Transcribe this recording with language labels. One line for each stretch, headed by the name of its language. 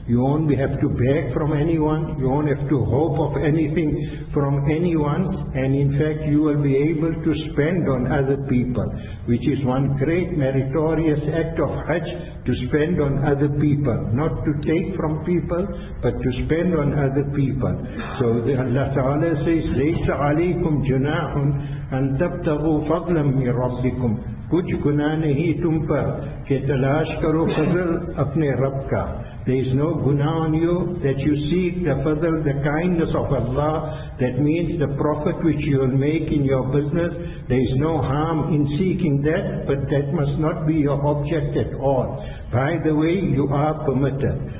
English: You won't have to beg from anyone, you won't have to hope of anything from anyone, and in fact you will be able to spend on other people, which is one great meritorious act of Hajj, to spend on other people, not to take from people, but to spend on other people. So Allah Ta'ala says,
Arabic: لَيْسَ عَلَيْكُمْ جُنَاحٌ أَن تَبْتَغُوا فَضْلًا مِنْ رَبِّكُمْ
Hindi: कुछ गुनाह नहीं तुम पर कि तलाश करो फजल अपने रब का.
English: There is no guna on you that you seek the fadl, the kindness of Allah. That means the profit which you will make in your business. There is no harm in seeking that, but that must not be your object at all. By the way, you are permitted.